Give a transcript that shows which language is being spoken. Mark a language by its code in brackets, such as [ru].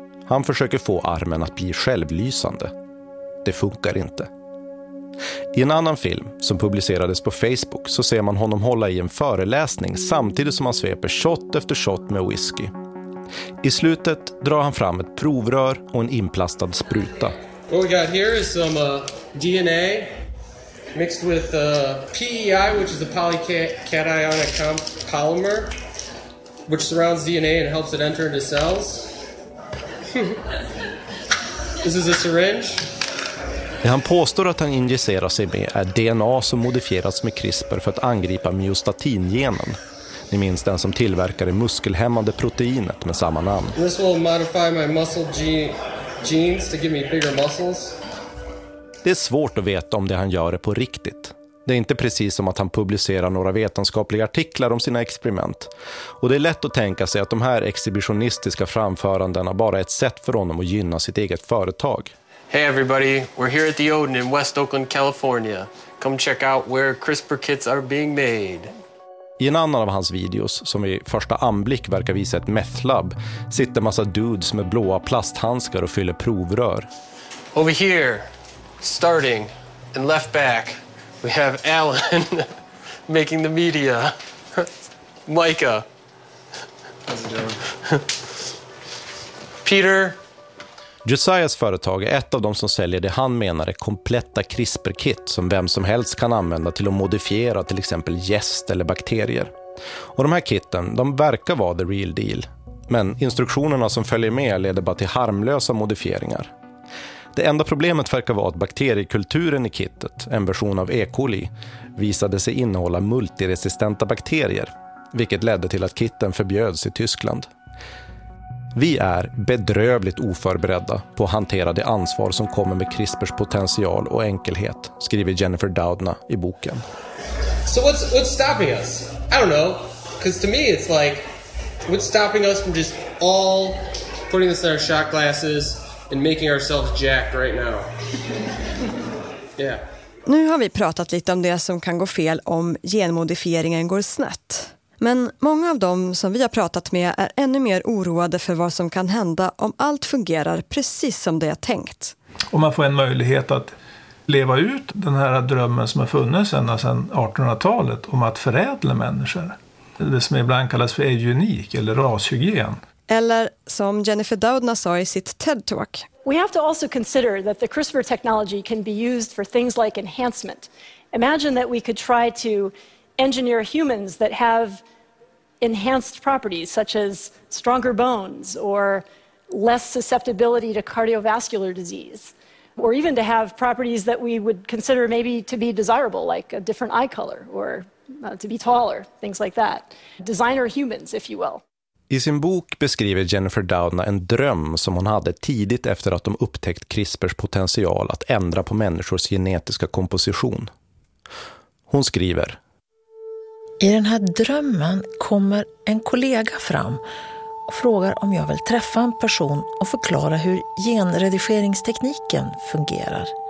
[sv] Han försöker få armen att bli självlysande. Det funkar inte. I en annan film som publicerades på Facebook så ser man honom hålla i en föreläsning samtidigt som han sveper shot efter shot med whisky. I slutet drar han fram ett provrör och en inplastad spruta. [en] What we got here is some DNA mixed with PEI, which is a polycationic polymer, which surrounds DNA and helps it enter into cells. This is a syringe. [sv] Det han påstår att han injicerar sig med är DNA som modifierats med CRISPR för att angripa myostatingenen. Ni minns den som tillverkar det muskelhämmande proteinet med samma namn. [en] This will modify my muscle genes to give me bigger muscles. [sv] Det är svårt att veta om det han gör är på riktigt. Det är inte precis som att han publicerar några vetenskapliga artiklar om sina experiment. Och det är lätt att tänka sig att de här exhibitionistiska framförandena bara är ett sätt för honom att gynna sitt eget företag. [en] Hey everybody, we're here at the Odin in West Oakland, California. Come check out where CRISPR kits are being made. [sv] I en annan av hans videos, som i första anblick verkar visa ett methlab, sitter massa dudes med blåa plasthandskar och fyller provrör. [en] Over here, starting and left back, we have Alan making the media. Micah. How's it going? Peter. [sv] Josiahs företag är ett av de som säljer det han menar är kompletta CRISPR-kit som vem som helst kan använda till att modifiera till exempel gäst eller bakterier. Och de här kitten, de verkar vara [en] the real deal. [sv] Men instruktionerna som följer med leder bara till harmlösa modifieringar. Det enda problemet verkar vara att bakteriekulturen i kittet, en version av E. coli, visade sig innehålla multiresistenta bakterier, vilket ledde till att kitten förbjöds i Tyskland. Vi är bedrövligt oförberedda på att hantera det ansvar som kommer med CRISPRs potential och enkelhet, skriver Jennifer Doudna i boken. [en] So what's stopping us? I don't know, because to me it's like, what's stopping us from just all putting this in our shot glasses and making ourselves jacked right now? Yeah. [sv] Nu har vi pratat lite om det som kan gå fel om genmodifieringen går snett. Men många av dem som vi har pratat med är ännu mer oroade för vad som kan hända om allt fungerar precis som det är tänkt. Om man får en möjlighet att leva ut den här drömmen som har funnits ända sedan 1800-talet om att förädla människor. Det som ibland kallas för eugenik eller rashygien. Eller som Jennifer Doudna sa i sitt TED-talk. [en] We have to also consider that the CRISPR technology can be used for things like enhancement. Imagine that we could try to engineer humans that have enhanced properties such as stronger bones or less susceptibility to cardiovascular disease or even to have properties that we would consider maybe to be desirable like a different eye color or to be taller, things like that. Designer humans, if you will. [sv] I sin bok beskriver Jennifer Doudna en dröm som hon hade tidigt efter att de upptäckt CRISPRs potential att ändra på människors genetiska komposition. Hon skriver: i den här drömmen kommer en kollega fram och frågar om jag vill träffa en person och förklara hur genredigeringstekniken fungerar.